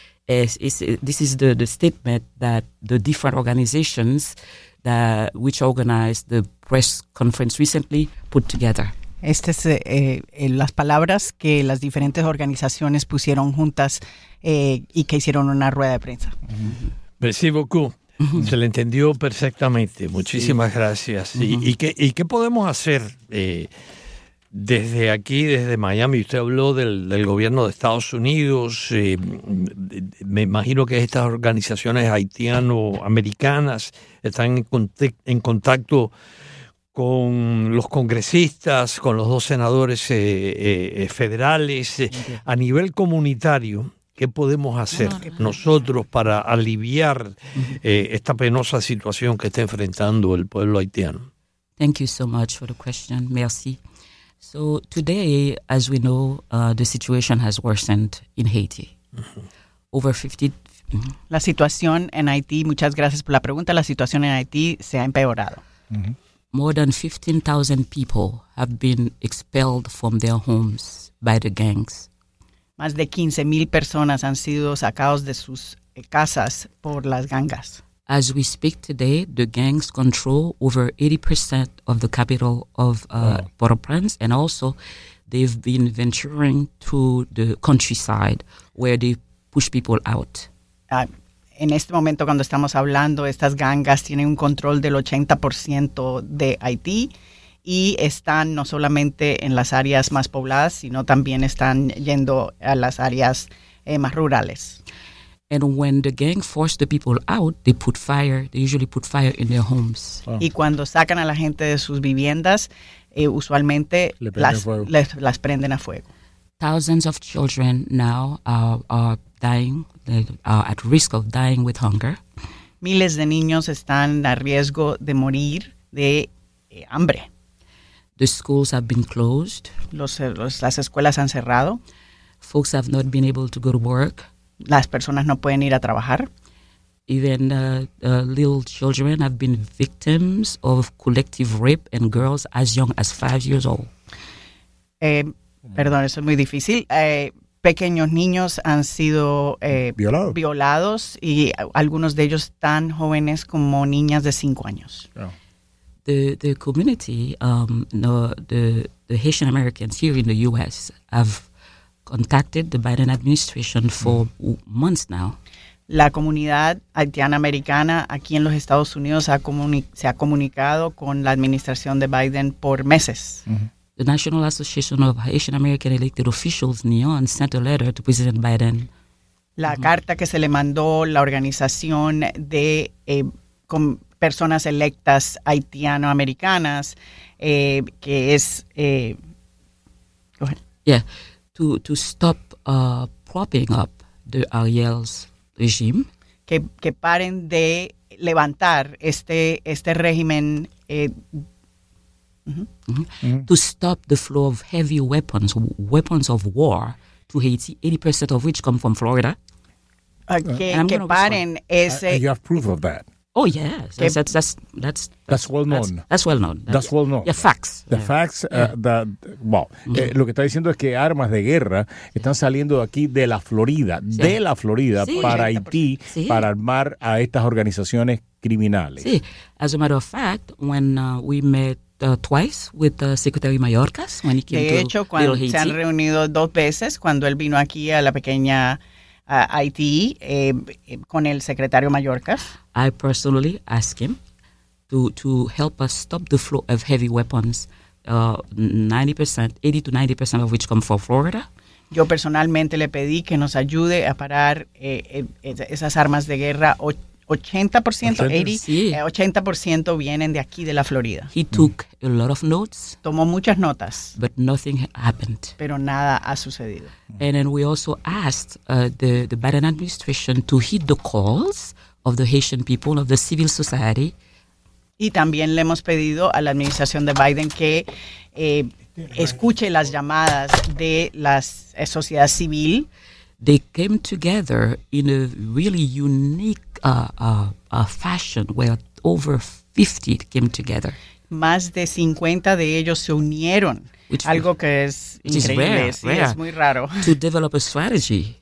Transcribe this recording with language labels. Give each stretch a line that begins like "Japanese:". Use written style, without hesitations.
English: This is the statement that the different organizations that which organized the press conference recently put together.
Spanish: Estas son las palabras que las diferentes organizaciones pusieron juntas y que hicieron una rueda de prensa. Mm-hmm.
French: Merci beaucoup.
Spanish: Se le entendió perfectamente. Muchísimas gracias. Mm-hmm. ¿Y qué podemos hacer desde aquí, desde Miami? Usted habló del gobierno de Estados Unidos. Me imagino que estas organizaciones haitiano-americanas están en contacto con los congresistas, con los dos senadores federales, a nivel comunitario. ¿Qué podemos hacer nosotros para aliviar esta penosa situación que está enfrentando el pueblo haitiano?
English: Thank you so much for the question. Merci. So today, as we know, the situation has worsened in Haiti. Over 50.
Spanish: La situación en Haití, muchas gracias por la pregunta, la situación en Haití se ha empeorado.
English: More than 15,000 people have been expelled from their homes by the gangs.
Spanish: Más de 15,000 personas han sido sacados de sus casas por las gangas.
English: As we speak today, the gangs control over 80% of the capital of Port-au-Prince, and also they've been venturing to the countryside where they push people out.
Spanish: En este momento, cuando estamos hablando, estas gangas tienen un control del 80% de Haití y están no solamente en las áreas más pobladas, sino también están yendo a las áreas más rurales.
English: And when the gang force the people out, they put fire. They usually put fire in their homes.
Spanish: Y cuando sacan a la gente de sus viviendas, usualmente las prenden a fuego.
English: Thousands of children now are dying. They are at risk of dying with hunger.
Spanish: Miles de niños están a riesgo de morir de hambre.
English: The schools have been closed.
Spanish: Las escuelas han cerrado.
English: Folks have not been able to go to work.
Spanish: Las personas no pueden ir a trabajar.
English: Even little children have been victims of collective rape and girls as young as 5 years old.
Spanish: Perdón, eso es muy difícil. Pequeños niños han sido violados y algunos de ellos tan jóvenes como niñas de 5 años.
English: Yeah. The community, the Haitian Americans here in the U.S. have contacted the Biden administration for months now.
Spanish: La comunidad haitiana americana aquí en los Estados Unidos se ha comunicado con la administración de Biden por meses. Mm-hmm.
English: The National Association of Haitian American Elected Officials, NEON, sent a letter to President Biden.
Spanish: La carta que se le mandó la organización de con personas electas haitiano-americanas, que es...
English: go ahead. Yeah, to stop propping up the Ariel's regime.
Spanish: Que paren de levantar este régimen...
English: To stop the flow of heavy weapons of war to Haiti, 80% of which come from Florida.
Spanish: Que paren ese.
English: You have proof of that. Oh yes, that's well known. That's well known. That's well known. Yeah, facts. The facts.
Spanish: Lo que está diciendo es que armas de guerra están saliendo aquí de la Florida, de la Florida para Haití, para armar a estas organizaciones criminales. Sí.
English: As a matter of fact, when we met twice with Secretary Mayorkas when he came
Spanish: de hecho,
English: to
Spanish: cuando
English: Haiti.
Spanish: Se han reunido dos veces cuando él vino aquí a la pequeña Haití con el secretario Mayorkas.
English: I personally asked him to help us stop the flow of heavy weapons, 80 to 90% of which come from Florida.
Spanish: Yo personalmente le pedí que nos ayude a parar esas armas de guerra. 80% vienen de aquí, de la Florida.
English: He took a lot of notes.
Spanish: Tomó muchas notas.
English: But nothing happened.
Spanish: Pero nada ha sucedido.
English: And then we also asked the Biden administration to heed the calls of the Haitian people, of the civil society.
Spanish: Y también le hemos pedido a la administración de Biden que escuche las llamadas de la sociedad civil.
English: They came together in a really unique fashion where over 50 came together.
Spanish: Más de 50 de ellos se unieron. Which algo que es increíble, rare, sí, rare. Es muy raro.
English: To develop a strategy.